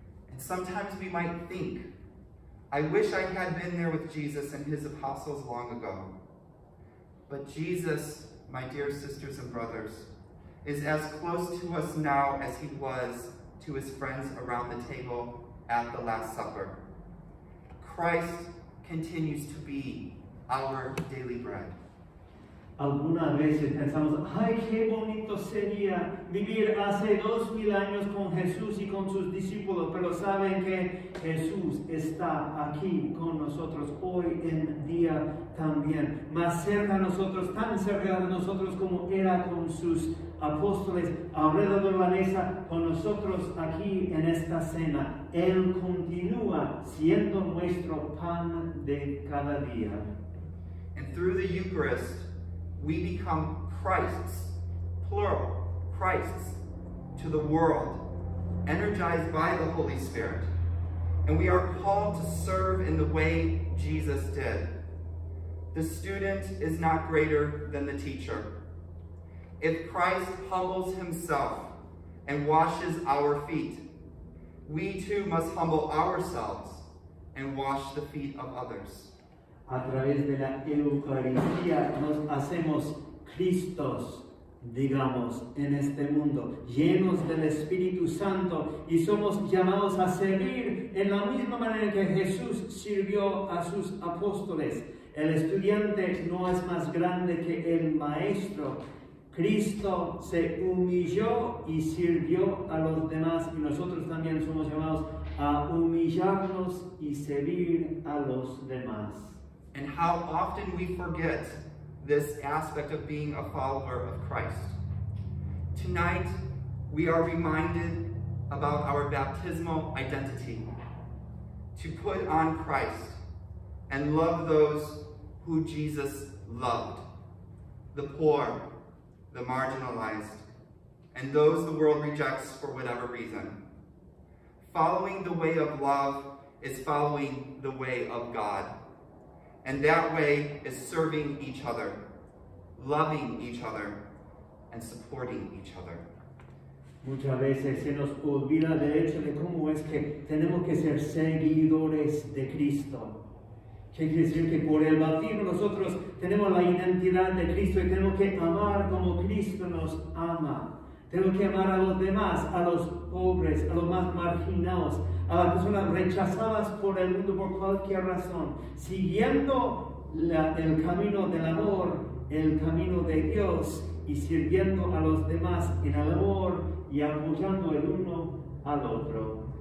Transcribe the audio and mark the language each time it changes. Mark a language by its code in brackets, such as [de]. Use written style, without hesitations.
[en] And sometimes we might think, I wish I had been there with Jesus and his apostles long ago. But Jesus, my dear sisters and brothers, is as close to us now as he was to his friends around the table at the Last Supper. Christ continues to be our daily bread. [es] Algunas veces pensamos, ay, qué bonito sería vivir hace 2000 años con Jesús y con sus discípulos, pero saben que Jesús está aquí con nosotros hoy en día también, más cerca de nosotros, tan cerca de nosotros como era con sus apóstoles, alrededor de la mesa, con nosotros aquí en esta cena. Él continúa siendo nuestro pan de cada día. [en] And through the Eucharist, we become Christ's, plural, Christ's, to the world, energized by the Holy Spirit. And we are called to serve in the way Jesus did. The student is not greater than the teacher. If Christ humbles himself and washes our feet, we too must humble ourselves and wash the feet of others. [es] A través de la Eucaristía nos hacemos Cristos, digamos, en este mundo, llenos del Espíritu Santo, y somos llamados a servir en la misma manera que Jesús sirvió a sus apóstoles. El estudiante no es más grande que el maestro. Cristo se humilló y sirvió a los demás, y nosotros también somos llamados a humillarnos y servir a los demás. [en] And how often we forget this aspect of being a follower of Christ. Tonight, we are reminded about our baptismal identity, to put on Christ and love those who Jesus loved, the poor, the marginalized, and those the world rejects for whatever reason. Following the way of love is following the way of God. And that way is serving each other, loving each other, and supporting each other. [es] Muchas veces se nos olvida el hecho de cómo es que tenemos que ser seguidores de Cristo. ¿Qué quiere decir? Que por el bautismo nosotros tenemos la identidad de Cristo y tenemos que amar como Cristo nos ama. Tenemos que amar a los demás, a los pobres, a los más marginados, a las personas rechazadas por el mundo por cualquier razón, siguiendo el camino del amor, el camino de Dios, y sirviendo a los demás en el amor y apoyando el uno al otro.